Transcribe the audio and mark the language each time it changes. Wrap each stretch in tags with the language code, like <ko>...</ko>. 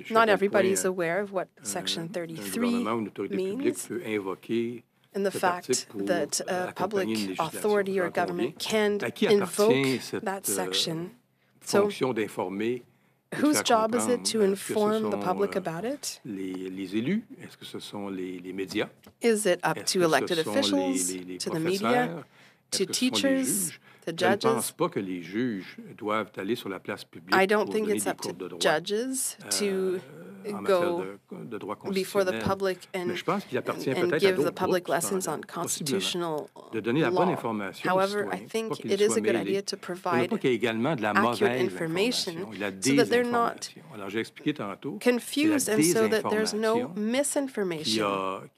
<en>Not everybody's aware of what Section 33 means and the fact that a public authority or government can invoke that section. So, whose job is it to inform the public about it?</en> <fr>Les élus? Est-ce que ce sont les médias?</fr> <en>Is it up to elected officials, to the media, to teachers, the judges?</en> <fr>Les juges doivent aller sur la place publique pour donner des cours de droit.</fr> <en>I don't think it's up to judges to go before the public and give the public lessons on constitutional law. However, I think it is a good idea to provide accurate information so that they're not confused and so that there's no misinformation.</en>